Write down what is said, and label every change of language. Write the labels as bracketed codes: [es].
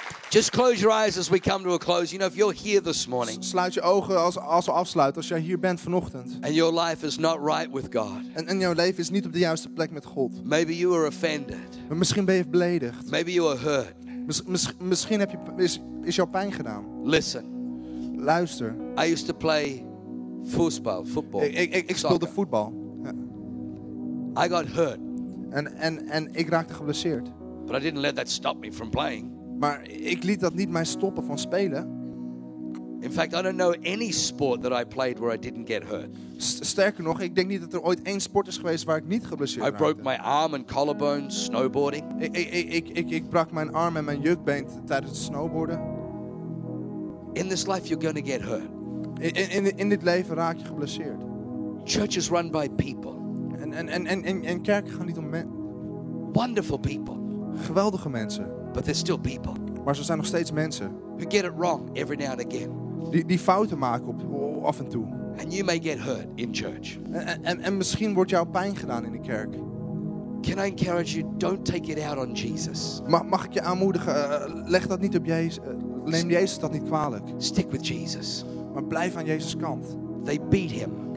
[en] Just close your eyes as we come to a close. You know, if you're here this morning. [nl] Sluit je ogen als we afsluiten, als jij hier bent vanochtend. [en] And your life is not right with God. [nl] En jouw leven is niet op de juiste plek met God. [en] Maybe you are offended. [nl] Misschien ben je beledigd. [en] Maybe you are hurt. [nl] Misschien heb je is jouw pijn gedaan. [en] Listen. [nl] Luister. [en] I used to play football. [nl] Ik speelde voetbal. [en] Ja. I got hurt. [nl] En ik raakte geblesseerd. [en] But I didn't let that stop me from playing. [nl] Maar ik liet dat niet mij stoppen van spelen. [en] In fact, I don't know any sport that I played where I didn't get hurt. [nl] Sterker nog, ik denk niet dat er ooit één sport is geweest waar ik niet geblesseerd [en] raakte. I broke my arm and collarbone snowboarding. [nl] Ik brak mijn arm en mijn jukbeen tijdens het snowboarden. [en] In this life you're going to get hurt. [nl] In dit leven raak je geblesseerd. [en] Churches run by people. [nl] En kerken gaan niet om mensen. [en] Wonderful people. [nl] Geweldige mensen. [en] But there's still people. [nl] Maar ze zijn nog steeds mensen. [en] Who get it wrong every now and again. [nl] Die fouten maken af en toe. [en] And you may get hurt in church. [nl] En misschien wordt jouw pijn gedaan in de kerk. [en] Can I encourage you? Don't take it out on Jesus. [nl] Mag ik je aanmoedigen? Leg dat niet op Jezus. Neem Jezus dat niet kwalijk. [en] Stick with Jesus. [nl] Maar blijf aan Jezus kant. [en] They beat him.